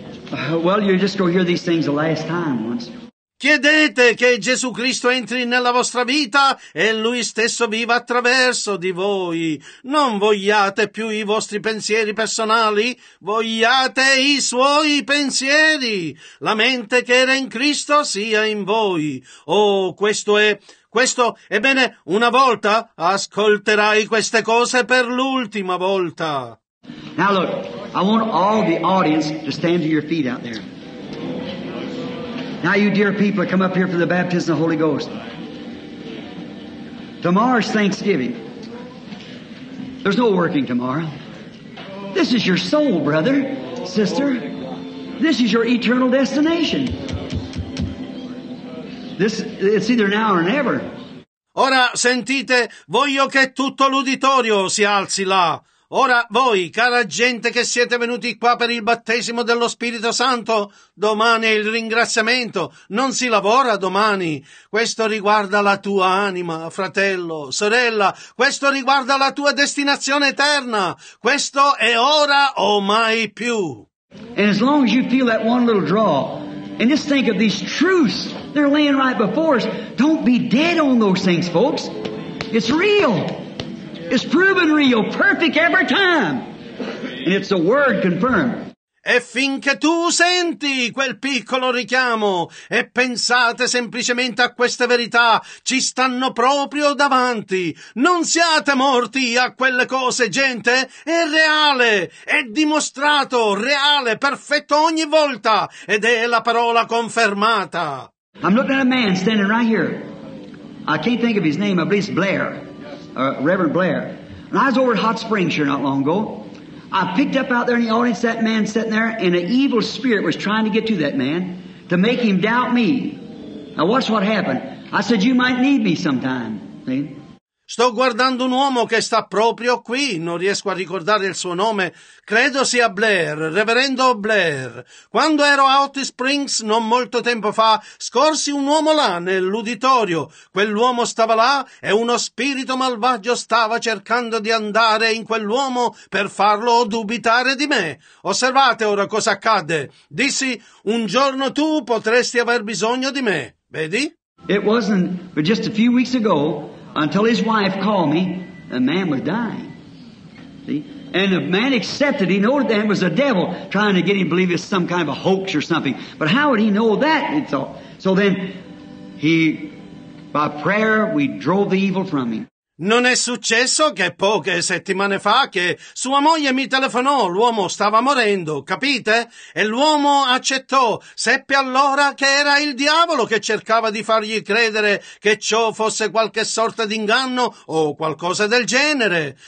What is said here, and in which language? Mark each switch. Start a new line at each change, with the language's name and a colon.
English: Well, you're just going to hear these things the last time once.
Italian: Chiedete che Gesù Cristo entri nella vostra vita e Lui stesso viva attraverso di voi. Non vogliate più i vostri pensieri personali, vogliate i suoi pensieri. La mente che era in Cristo sia in voi. Oh, questo è bene, una volta ascolterai queste cose per l'ultima volta.
English: Now look, I want all the audience to stand to your feet out there. Now you dear people, come up here for the baptism of the Holy Ghost. Tomorrow's Thanksgiving. There's no working tomorrow. This is your soul, brother, sister. This is your eternal destination. This, it's either now or never.
Italian: Ora sentite, voglio che tutto l'uditorio si alzi là. Ora voi, cara gente che siete venuti qua per il battesimo dello Spirito Santo, domani è il ringraziamento, non si lavora domani. Questo riguarda la tua anima, fratello, sorella, questo riguarda la tua destinazione eterna. Questo è ora o mai più.
English: And as long as you feel that one little draw, and just think of these truths, they're laying right before us. Don't be dead on those things, folks. It's real. It's proven real, perfect every time. And it's the word confirmed.
Italian: E finché tu senti quel piccolo richiamo e pensate semplicemente a queste verità, ci stanno proprio davanti. Non siate morti a quelle cose, gente. È reale, è dimostrato, reale, perfetto ogni volta. Ed è la parola confermata.
English: I'm looking at a man standing right here. I can't think of his name, but it's Blair. Reverend Blair. And I was over at Hot Springs here not long ago. I picked up out there in the audience that man sitting there, and an evil spirit was trying to get to that man to make him doubt me. Now watch what happened. I said, you might need me sometime. See?
Italian: Sto guardando un uomo che sta proprio qui, non riesco a ricordare il suo nome, credo sia Blair, reverendo Blair. Quando ero a Hot Springs, non molto tempo fa, scorsi un uomo là nell'uditorio. Quell'uomo stava là e uno spirito malvagio stava cercando di andare in quell'uomo per farlo dubitare di me. Osservate ora cosa accadde. Dissi, un giorno tu potresti aver bisogno di me, vedi?
English: It wasn't but just a few weeks ago. Until his wife called me, the man was dying. See? And the man accepted. He knew that was the devil trying to get him to believe it's some kind of a hoax or something. But how would he know that? He thought. So then he, by prayer, we drove the evil from him.
Italian: Non è successo che poche settimane fa che sua moglie mi telefonò, l'uomo stava morendo, capite? E l'uomo accettò, seppe allora che era il diavolo che cercava di fargli credere che ciò fosse qualche sorta d'inganno o qualcosa del genere.